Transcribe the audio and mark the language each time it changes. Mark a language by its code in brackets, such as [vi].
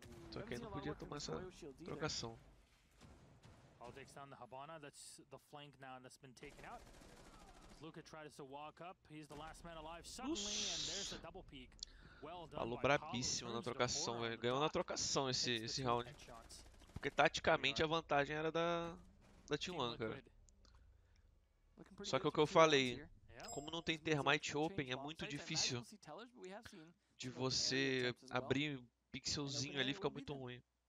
[pt] Só que aí não podia tomar essa trocação. [en] All takes down the Havana, that's the flank now that's been taken out. Luka tries to walk up, he's the last man alive suddenly, and there's a double peek. Well done. [pt] Falou brabíssimo na trocação, velho. Ganhou na trocação esse round. Porque taticamente a vantagem era da Team One, cara. Só que o que eu falei, como não tem Thermite Open, é muito difícil de você abrir um pixelzinho ali, fica muito ruim.